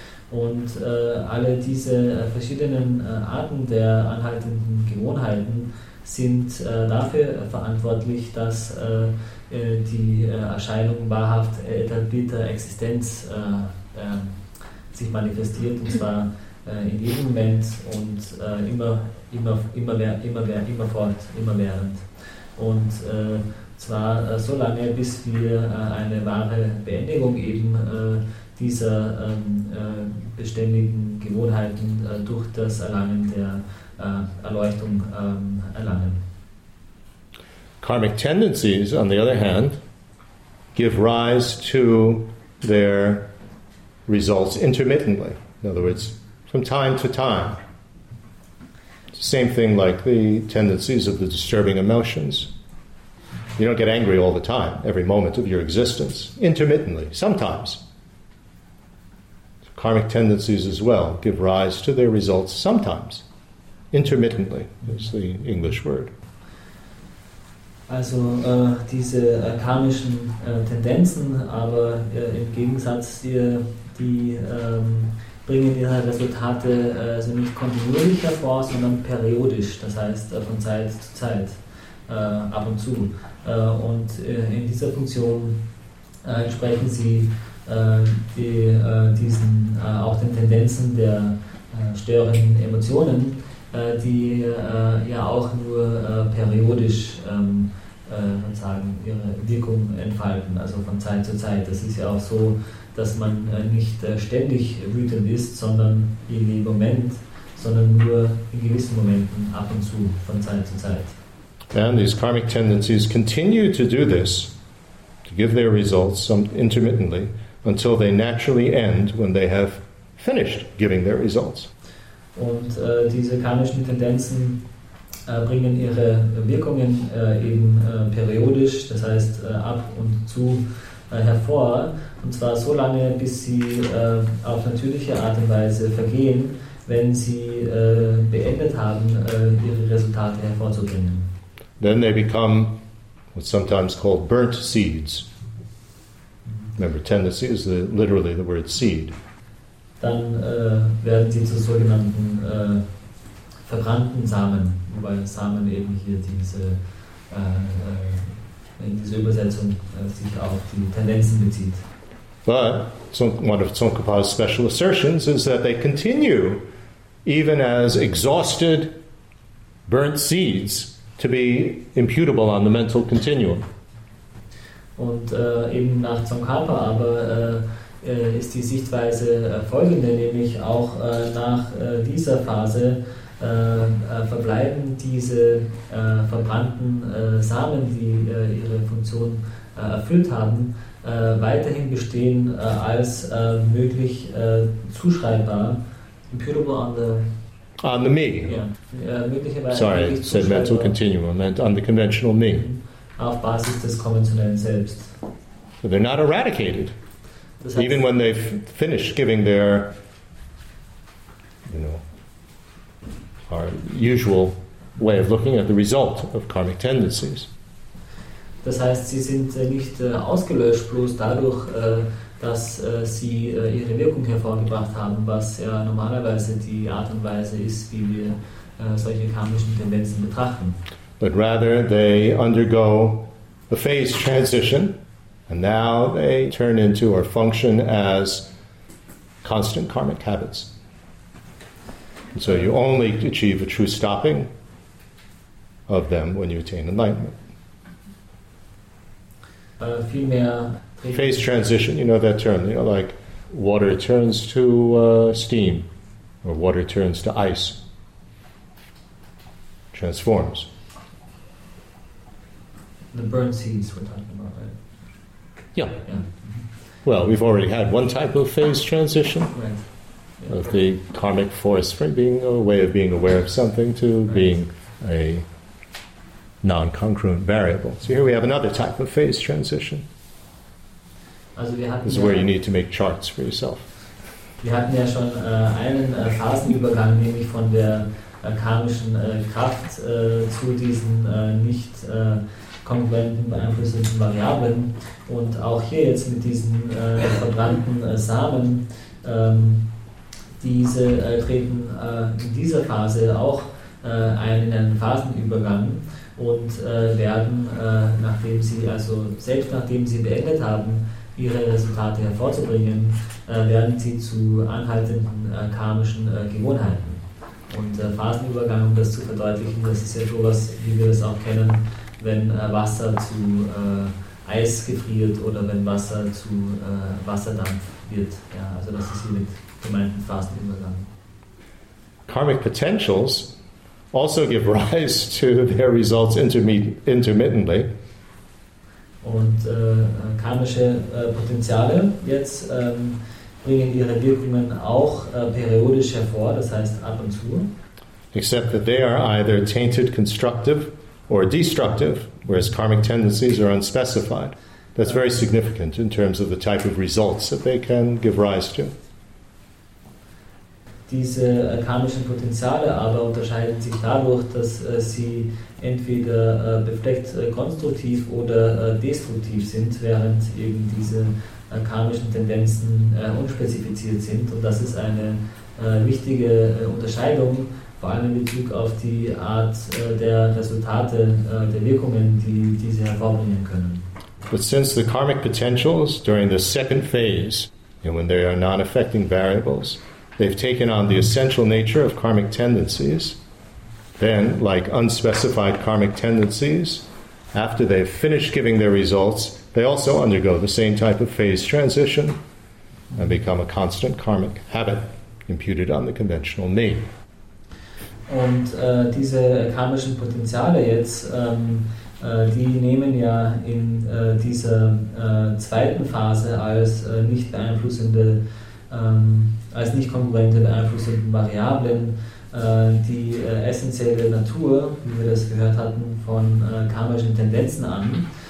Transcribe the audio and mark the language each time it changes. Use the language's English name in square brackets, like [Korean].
[German] Und alle diese verschiedenen Arten der anhaltenden Gewohnheiten sind dafür verantwortlich, dass die Erscheinung wahrhaft etablierter Existenz sich manifestiert, und zwar in jedem Moment und immer fort, immer während. Und zwar so lange, bis wir eine wahre Beendigung eben dieser beständigen Gewohnheiten durch das Erlangen der Erleuchtung erlangen. [English] Karmic tendencies, on the other hand, give rise to their results intermittently. In other words, from time to time. It's the same thing like the tendencies of the disturbing emotions. You don't get angry all the time, every moment of your existence. Intermittently, sometimes. Karmic tendencies as well give rise to their results sometimes. Intermittently is the English word. [German] Also diese karmischen Tendenzen, aber im Gegensatz hier, die bringen ihre Resultate also nicht kontinuierlich hervor, sondern periodisch, das heißt von Zeit zu Zeit, ab und zu. Und in dieser Funktion entsprechen sie auch den Tendenzen der störenden Emotionen, die ja auch nur periodisch ihre Wirkung entfalten, also von Zeit zu Zeit. Das ist ja auch so, dass man nicht ständig wütend ist, sondern in dem Moment, sondern nur in gewissen Momenten ab und zu, von Zeit zu Zeit. [English] And these karmic tendencies continue to do this, to give their results intermittently, until they naturally end when they have finished giving their results. [German] Und diese karmischen Tendenzen bringen ihre Wirkungen eben periodisch, das heißt ab und zu hervor, und zwar so lange, bis sie auf natürliche Art und Weise vergehen, wenn sie beendet haben, ihre Resultate hervorzubringen. [English] Then they become what's sometimes called burnt seeds. Remember, tendency is literally the word seed. [German] Dann werden sie zu sogenannten verbrannten Samen, wobei Samen eben hier in diese Übersetzung sich auf die Tendenzen bezieht. [English] But one of Tsongkhapa's special assertions is that they continue, even as exhausted, burnt seeds, to be imputable on the mental continuum. [German] Und eben nach Tsongkhapa aber ist die Sichtweise folgende, nämlich auch nach dieser Phase verbleiben diese verbrannten Samen, die ihre Funktion erfüllt haben, weiterhin bestehen als möglich zuschreibbar, [English] imputable on the... On the me. Yeah. Sorry, I said mental continuum, I meant on the conventional me. [German] Auf Basis des konventionellen Selbst. [English] So they're not eradicated. Even when they've finished giving their, our usual way of looking at the result of karmic tendencies. [German] Das heißt, sie sind nicht ausgelöscht, bloß dadurch, dass sie ihre Wirkung hervorgebracht haben, was ja normalerweise die Art und Weise ist, wie wir solche karmischen Tendenzen betrachten. [English] But rather they undergo a phase transition, and now they turn into or function as constant karmic habits. And so you only achieve a true stopping of them when you attain enlightenment. Phase transition, you know that term, like water turns to steam, or water turns to ice, transforms. The burnt seeds we're talking about, right? Yeah. Mm-hmm. Well, we've already had one type of phase transition, right. Of the karmic force from being a way of being aware of something to being a non-congruent variable. So here we have another type of phase transition. [German] Also wir hatten [English] this is where you need to make charts for yourself. [German] Wir hatten ja schon einen Phasenübergang, nämlich von der karmischen Kraft zu diesen nicht kongruenten beeinflussenden Variablen. Und auch hier jetzt mit diesen verbrannten Samen, diese treten in dieser Phase auch einen Phasenübergang und werden, nachdem sie, also selbst nachdem sie beendet haben, ihre Resultate hervorzubringen, werden sie zu anhaltenden karmischen Gewohnheiten. Und Phasenübergang, um das zu verdeutlichen, das ist ja sowas, wie wir das auch kennen, wenn Wasser zu Eis gefriert oder wenn Wasser zu Wasserdampf wird. Ja, also das ist hier mit gemeinten Phasenübergang. [English] Karmic Potentials also give rise to their results intermittently. [German] Und karmische Potenziale jetzt bringen ihre Wirkungen auch periodisch hervor, das heißt ab und zu. [English] Except that they are either tainted, constructive or destructive, whereas karmic tendencies are unspecified. That's very significant in terms of the type of results that they can give rise to. [German] Diese karmischen Potenziale aber unterscheiden sich dadurch, dass sie entweder befleckt konstruktiv oder destruktiv sind, während eben diese karmischen Tendenzen unspezifiziert sind. Und das ist eine wichtige Unterscheidung, vor allem in Bezug auf die Art der Resultate, der Wirkungen, die diese hervorbringen können. [English] But since the karmic potentials during the second phase, and when they are non-affecting variables, they've taken on the essential nature of karmic tendencies, then, like unspecified karmic tendencies, after they've finished giving their results, they also undergo the same type of phase transition and become a constant karmic habit imputed on the conventional name. [German] Und diese karmischen Potenziale jetzt, die nehmen ja in dieser zweiten Phase als nicht beeinflussende als nicht kongruente beeinflussenden Variablen die essentielle Natur, wie wir das gehört hatten, von karmischen Tendenzen an.